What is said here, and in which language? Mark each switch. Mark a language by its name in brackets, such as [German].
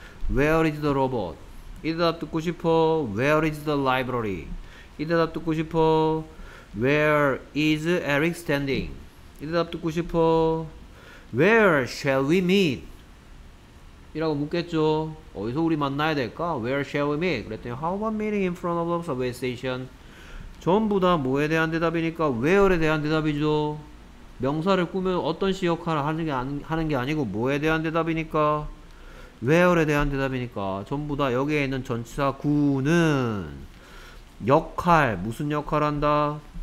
[English] Where is the robot? [Korean] 이 대답 듣고 싶어. [English] Where is the library? [Korean] 이 대답 듣고 싶어. [English] Where is Eric standing? [Korean] 이 대답 듣고 싶어. [English] Where shall we meet? [Korean] 이라고 묻겠죠. 어디서 우리 만나야 될까? [English] Where shall we meet? [Korean] 그랬더니 [English] How about meeting in front of the subway station? [Korean] 전부 다 뭐에 대한 대답이니까 where에 대한 대답이죠. 명사를 꾸며 어떤 시 역할을 하는 게 아니고 뭐에 대한 대답이니까 where에 대한 대답이니까 전부 다 여기에 있는 전치사 구는 역할 무슨 역할을 한다?